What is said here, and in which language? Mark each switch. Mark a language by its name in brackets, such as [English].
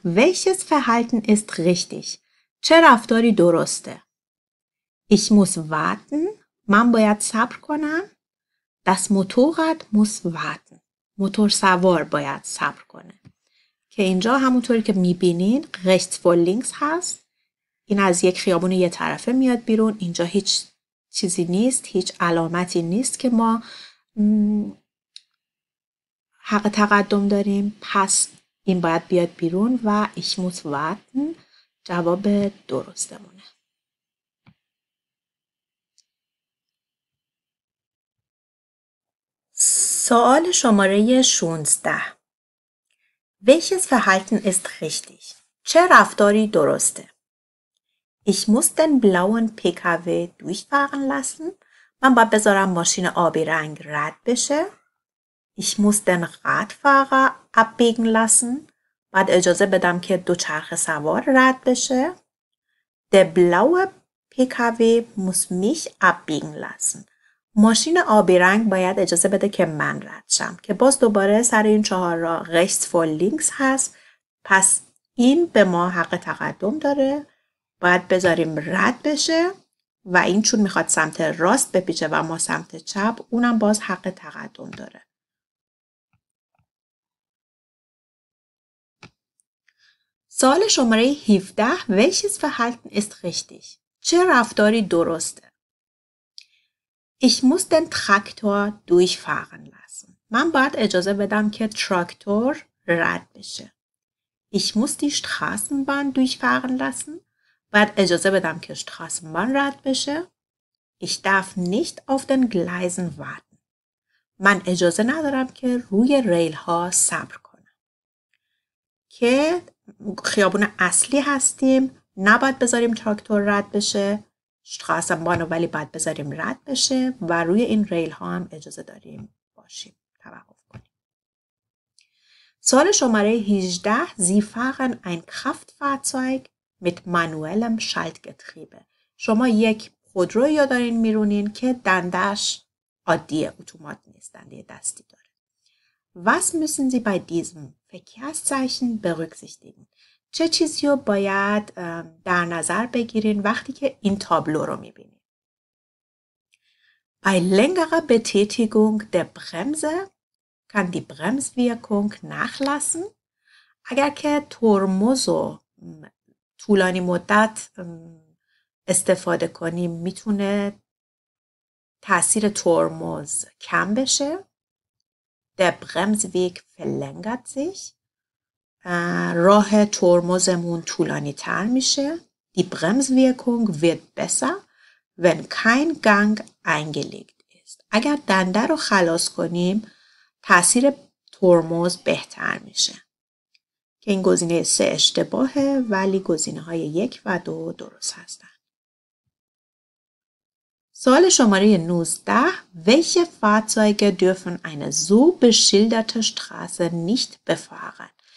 [German] Welches Verhalten ist richtig? [Persian] چه رفتاری درسته؟ [German] Ich muss warten. [Persian] من باید صبر کنم. [German] Das Motorrad muss warten. [Persian] موتور سوار باید صبر کنه. که اینجا همونطوری که میبینین rechts vor links هست. این از یک خیابون یه طرفه میاد بیرون. اینجا هیچ چیزی نیست. هیچ علامتی نیست که ما حق تقدم داریم. پس این باید بیاد بیرون و [German] ich muss warten [Persian] جواب درستمونه. سوال شماره 16. [German] Welches Verhalten ist richtig? [Persian] چه رفتاری درسته؟ [German] Ich muss den blauen PKW durchfahren lassen. [Persian] من باید بذارم ماشین آبی رنگ رد بشه. [German] Ich muss den Radfahrer abbiegen lassen. [Persian] بعد اجازه بدم که دو چرخ سوار رد بشه. [German] Der blaue PKW muss mich abbiegen lassen. [Persian] ماشین آبی رنگ باید اجازه بده که من رد شم. که باز دوباره سر این چهار را rechts vor links هست. پس این به ما حق تقدم داره. باید بذاریم رد بشه. و این چون میخواد سمت راست بپیچه و ما سمت چپ، اونم باز حق تقدم داره. سوال شماره 17، [German] welches Verhalten ist richtig؟ [Persian] چه رفتاری درسته؟ [German] Ich muss den Traktor durchfahren lassen. [Persian] من باید اجازه بدم که تراکتور رد بشه. [German] Ich muss die Straßenbahn durchfahren lassen. [Persian] باید اجازه بدم که Straßenbahn رد بشه. [German] Ich darf nicht auf den Gleisen warten. [Persian] من اجازه ندارم که روی ریل ها صبر کنم. که خیابون اصلی هستیم، نباید بذاریم تراکتور رد بشه، Straßenbahn ولی باید بذاریم رد بشه و روی این ریل ها هم اجازه داریم باشیم، توقف کنیم. سوال شماره 18، [German] Sie fahren ein Kraftfahrzeug mit manuellem Schaltgetriebe. [Persian] شما یک خودرو یا دارین میرونین که دندش عادیه، اتومات نیست، دنده دستی داره. [German] Was müssen Sie bei diesem Verkehrszeichen berücksichtigen. [Persian] چه چیزی رو باید در نظر بگیرین وقتی که این تابلو رو میبینین؟ [German] Bei längerer Betätigung der Bremse kann die Bremswirkung nachlassen. [Persian] اگر که ترمز رو طولانی مدت استفاده کنیم میتونه تاثیر ترمز کم بشه. [German] Der Bremsweg verlängert sich. [Persian] راه ترمزمون طولانی تر میشه. [German] Die Bremswirkung wird besser, wenn kein Gang eingelegt ist. [Persian] اگر دنده رو خلاص کنیم، تاثیر ترمز بهتر میشه. که این گزینه 3 اشتباهه، ولی گزینه های 1 و 2 درست هستن. سوال شماره 19، [German] welche Fahrzeuge dürfen eine so beschilderte Straße nicht befahren?